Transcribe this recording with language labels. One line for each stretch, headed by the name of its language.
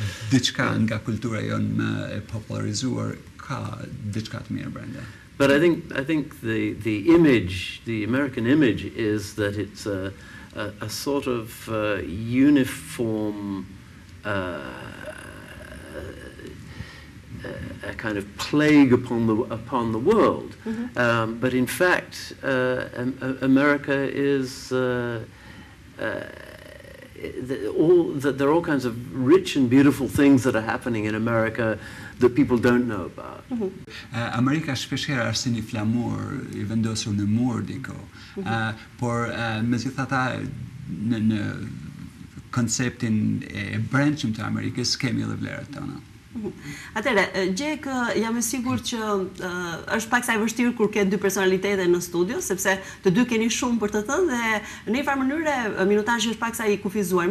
Albanian: diçka nga kultura jonë e popularizuar ka diçka të mirë brenda.
English: But I think the American image is that it's a sort of uniform a kind of plague upon the world. Mm-hmm. But in fact America is there are all kinds of rich and beautiful things that are happening in America that people don't know about. Mm-hmm.
Albanian: America shpesh herë është një flamur i vendosur në mur diku. Por megjithatë në konceptin e brendshëm të Amerikës kemi edhe vlerat tona. Atëre, Jack, jam e sigurt që është pak sa e vështirë kur ke dy personalitete në studio, sepse të dy keni shumë për të thënë dhe në një farë mënyrë minutazhi është pak sa i kufizuar.